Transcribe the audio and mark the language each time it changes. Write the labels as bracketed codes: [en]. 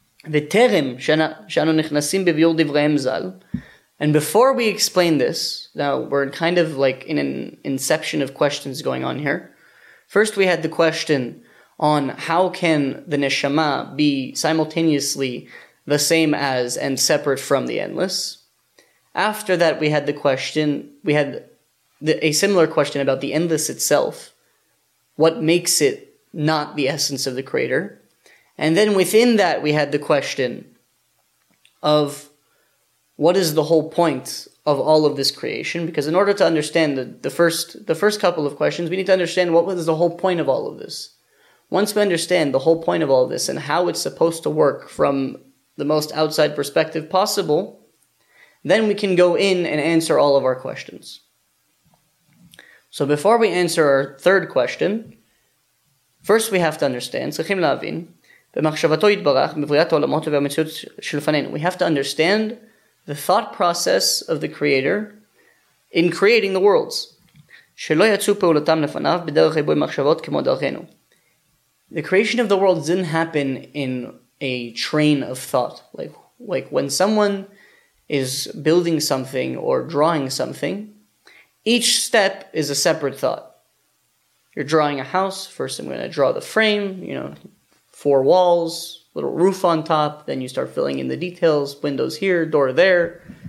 [he] וטרם שאנו נכנסים בביור דבריהם זל. [en] And before we explain this, now we're kind of like in an inception of questions going on here. First we had the question on how can the neshama be simultaneously the same as and separate from the endless. After that we had the question, we had a similar question about the endless itself. What makes it not the essence of the creator? And then within that, we had the question of what is the whole point of all of this creation? Because in order to understand the first couple of questions, we need to understand what was the whole point of all of this. Once we understand the whole point of all of this and how it's supposed to work from the most outside perspective possible, then we can go in and answer all of our questions. So before we answer our third question, first we have to understand, [he] צריכים להבין, במחשבתו יתברך, מבריאת העולמות והמציאות שלפנינו. [en] We have to understand the thought process of the Creator in creating the worlds. [he] שלא יצאו פעולתם לפניו בדרך ריבוי מחשבות כמו דרכנו. [en] The creation of the world didn't happen in a train of thought. Like when someone is building something or drawing something, each step is a separate thought. You're drawing a house, first I'm going to draw the frame, you know, four walls, little roof on top, then you start filling in the details, windows here, door there.